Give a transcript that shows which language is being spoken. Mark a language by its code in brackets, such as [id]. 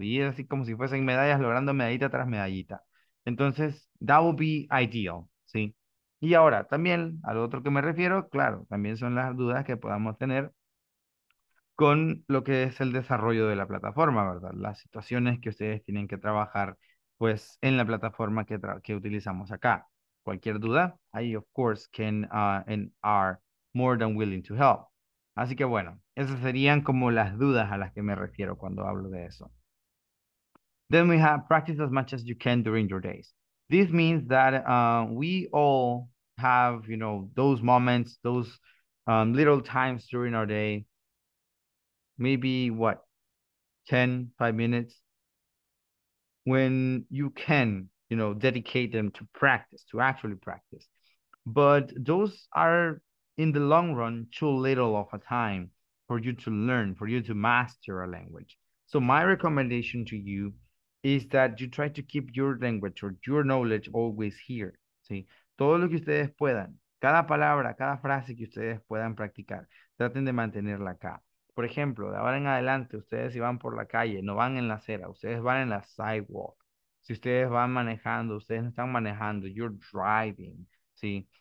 [es] Y es así como si fuesen medallas, logrando medallita tras medallita. Entonces, [en] that would be ideal, [es] ¿sí? Y ahora, también, al otro que me refiero, claro, también son las dudas que podamos tener con lo que es el desarrollo de la plataforma, ¿verdad? Las situaciones que ustedes tienen que trabajar, pues, en la plataforma que utilizamos acá. Cualquier duda, [en] I, of course, can and are more than willing to help. [es] Así que, bueno, esas serían como las dudas a las que me refiero cuando hablo de eso. [en] Then we have practice as much as you can during your days. This means that we all have, you know, those moments, those little times during our day. Maybe what? 10, 5 minutes? When you can, you know, dedicate them to practice, to actually practice. But those are, in the long run, too little of a time for you to learn, for you to master a language. So my recommendation to you is that you try to keep your language or your knowledge always here, ¿sí? [es] Todo lo que ustedes puedan, cada palabra, cada frase que ustedes puedan practicar, traten de mantenerla acá. Por ejemplo, de ahora en adelante, ustedes si van por la calle, no van en la acera, ustedes van en la sidewalk. Si ustedes van manejando, ustedes no están manejando, [en] you're driving, [es] ¿sí?